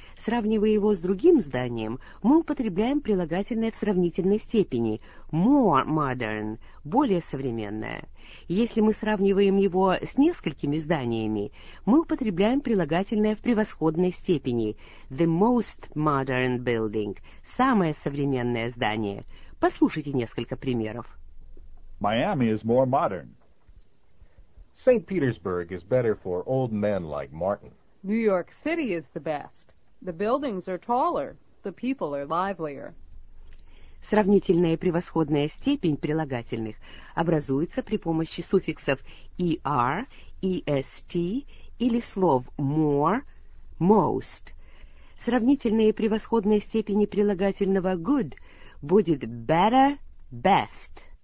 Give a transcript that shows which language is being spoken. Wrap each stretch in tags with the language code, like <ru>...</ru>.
<ru>Сравнивая его с другим зданием, мы употребляем прилагательное в сравнительной степени,</ru> <en>more modern,</en> <ru>более современное. Если мы сравниваем его с несколькими зданиями, мы употребляем прилагательное в превосходной степени,</ru> <en>the most modern building,</en> <ru>самое современное здание. Послушайте несколько примеров.</ru> <en>Miami is more modern. St. Petersburg is better for old men like Martin. New York City is the best. The buildings are taller. The people are livelier.</en> <ru>Сравнительная и превосходная степень прилагательных образуется при помощи суффиксов er, est или слов more, most. Сравнительная и превосходная степень прилагательного good будет better, best.</ru>